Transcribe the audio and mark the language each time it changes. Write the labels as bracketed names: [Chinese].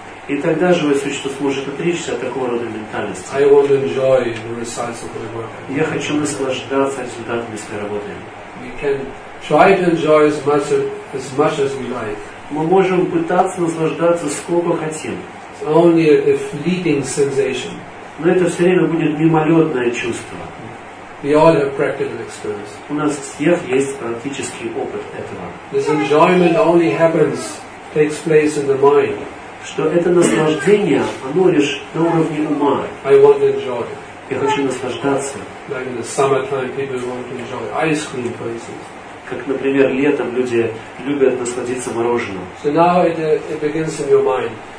[Russian] И тогда живое существо сможет отречься от такого рода ментальности. [English] I want to enjoy the results of my work. [Russian] Я хочу наслаждаться результатами своей работы. [English] We can try to enjoy as much as we like. [Russian] Мы можем пытаться наслаждаться сколько хотим. [English] It's only a fleeting sensation. [Russian] Но это все время будет мимолетное чувство. [English] We all have practical experience. [Russian] У нас всех есть практический опыт этого. [English] This enjoyment only happens, takes place in the mind. [Russian] Что это наслаждение, оно лишь на уровне ума. [English] I want to enjoy. [Russian] Я хочу наслаждаться. [English] Like in the summertime, people want to enjoy ice cream, for instance. [Russian] Как, например, летом люди любят насладиться мороженым. [English] So now it begins in your mind.